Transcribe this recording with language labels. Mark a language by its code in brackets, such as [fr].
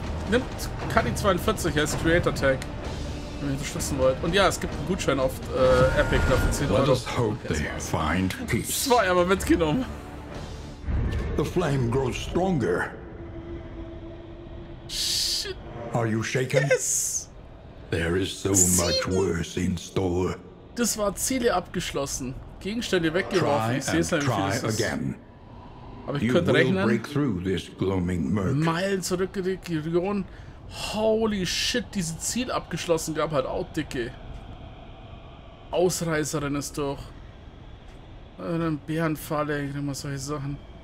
[de] Nimmt Cuddy42 als Creator Tag. Wenn ihr unterstützen wollt. Und ja, es gibt einen Gutschein auf Epic dafür. [en] Let us hope they find peace. [de] Zwei aber mitgenommen. [en] The flame grows stronger. Shit. Are you shaken? Yes. There is so much worse in store. [de] Das war Ziele abgeschlossen. Gegenstände weggeworfen. Ich sehe es nicht, wie viel es ist. Aber ich könnte rechnen. Meilen zurück in die Region. [en] Holy shit, [de] diese Ziel abgeschlossen gab halt auch dicke. Ausreißerin ist doch. Bärenfalle, ich nehme mal solche Sachen.